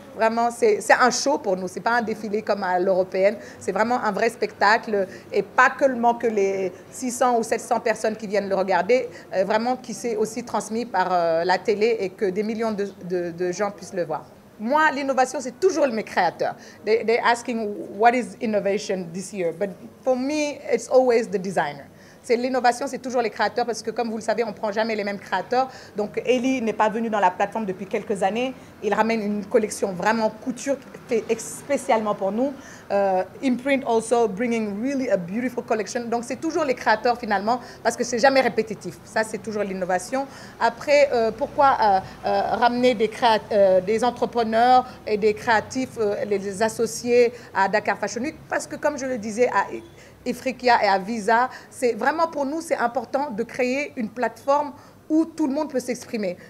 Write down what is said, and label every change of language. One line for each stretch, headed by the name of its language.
French: Vraiment, c'est un show pour nous. Ce n'est pas un défilé comme à l'européenne. C'est vraiment un vrai spectacle. Et pas seulement que les 600 ou 700 personnes qui viennent le regarder, vraiment qui s'est aussi transmis par la télé et que des millions de gens puissent le voir. Moi, l'innovation, c'est toujours mes créateurs.
English: They're asking, what is innovation this year? But for me, it's always the designer.
French: C'est l'innovation, c'est toujours les créateurs parce que, comme vous le savez, on ne prend jamais les mêmes créateurs. Donc, Ellie n'est pas venue dans la plateforme depuis quelques années. Il ramène une collection vraiment couture faite spécialement pour nous.
English: Imprint also bringing really a beautiful collection.
French: Donc, c'est toujours les créateurs finalement parce que ce n'est jamais répétitif. Ça, c'est toujours l'innovation. Après, pourquoi ramener des entrepreneurs et des créatifs, les associés à Dakar Fashion Week? Parce que, comme je le disais à Ifriqiya et à Visa, c'est vraiment pour nous, c'est important de créer une plateforme où tout le monde peut s'exprimer.